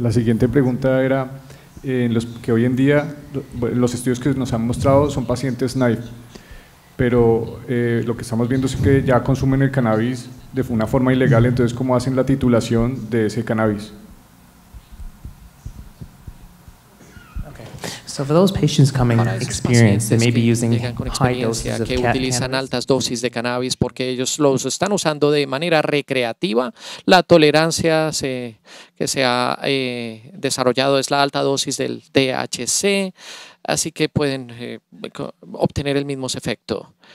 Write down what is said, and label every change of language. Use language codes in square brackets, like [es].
[es] La siguiente pregunta era, los que hoy en día, los estudios que nos han mostrado son pacientes naive, pero lo que estamos viendo es que ya consumen el cannabis de una forma ilegal, entonces, ¿cómo hacen la titulación de ese cannabis? [en] So for those patients coming experienced, they may be using high doses of cannabis. [es] Que utilizan altas dosis de cannabis porque ellos los están usando de manera recreativa. La tolerancia que se ha desarrollado es la alta dosis del THC, así que pueden obtener el mismo efecto.